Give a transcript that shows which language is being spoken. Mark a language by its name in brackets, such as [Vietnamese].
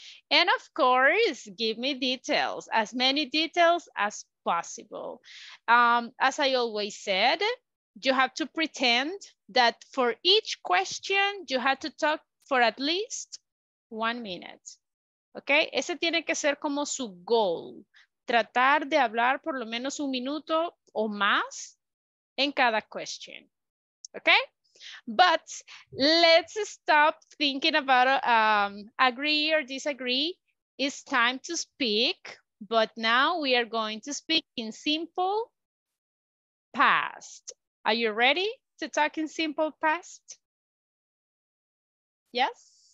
[English] And of course, give me details, as many details as possible. As I always said, you have to pretend that for each question, you have to talk for at least 1 minute, okay? [Spanish] Ese tiene que ser como su goal, tratar de hablar por lo menos un minuto o más in cada question, okay? [English] But let's stop thinking about agree or disagree. It's time to speak, but now we are going to speak in simple past. Are you ready? to talk in simple past? Yes?